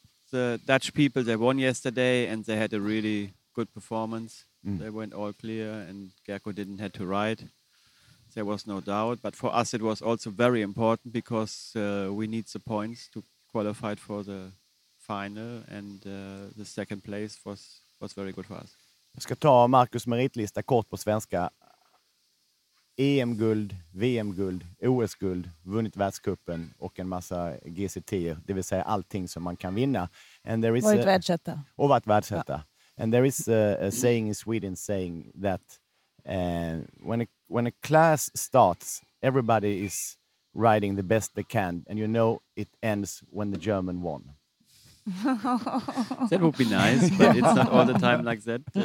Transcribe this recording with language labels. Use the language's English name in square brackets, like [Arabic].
[English] The Dutch people, they won yesterday and they had a really good performance. Mm. They went all clear and Gerko didn't have to ride. There was no doubt. But for us, it was also very important because we need the points to qualify for the final. And the second place was very good for us. [Swedish] Jag ska ta Marcus meritlista kort på svenska. EM-guld, VM-guld, OS-guld, vunnit världskuppen och en massa GCT-er. Det vill säga allting som man kan vinna. Och varit världsetta. [English] And there is a saying in Sweden saying that when a class starts, everybody is riding the best they can. And you know it ends when the German won. That would be nice, but yeah. It's not all the time like that.